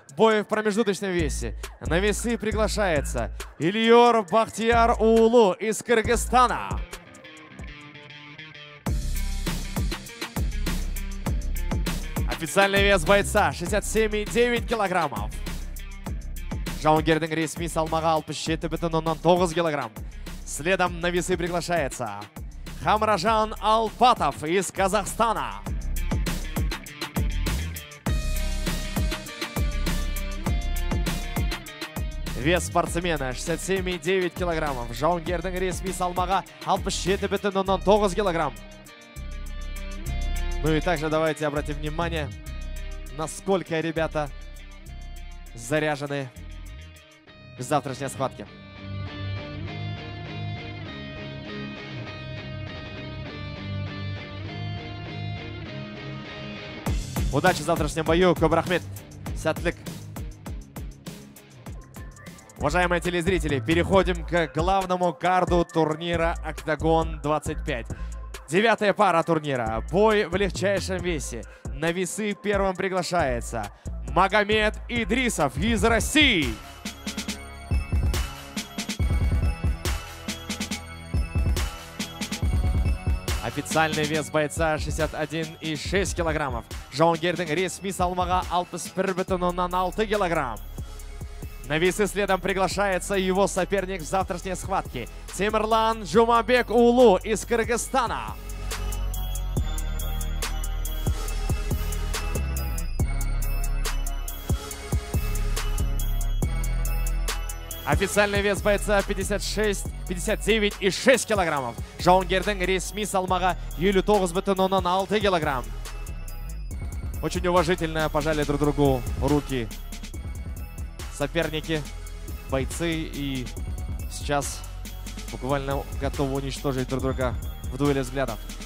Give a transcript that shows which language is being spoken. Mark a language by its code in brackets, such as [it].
[ru] Бой в промежуточном весе. На весы приглашается Ильёр Бахтияр Уулу из Кыргызстана. Официальный вес бойца 67,9 килограммов. [kk] Жаунгердің ресми салмағы 67,9 килограмм. [ru] Следом на весы приглашается Хамражан Алпатов из Казахстана. Вес спортсмена 67,9 килограммов. [kk] Жаунгердің ресми салмағы 67,9 килограмм. [ru] Ну и также давайте обратим внимание, насколько ребята заряжены к завтрашней схватке. Удачи завтрашнем бою. [kk] Көп рахмет. Сәттілік. [ru] Уважаемые телезрители, переходим к главному карду турнира «Октагон-25». Девятая пара турнира. Бой в легчайшем весе. На весы первым приглашается Магомед Идрисов из России. Официальный вес бойца 61,6 килограммов. [kk] Жауынгердің ресми салмағы 61 бүтін 6 килограмм. [ru] На весы следом приглашается его соперник в завтрашней схватке. Темирлан Жумабек Улу из Кыргызстана. Официальный вес бойца 59,6 килограммов. [kk] Жауынгердің ресми салмағы 59 бүтін 6 килограмм. [ru] Очень уважительно пожали друг другу руки соперники, бойцы. И сейчас буквально готовы уничтожить друг друга в дуэли взглядов.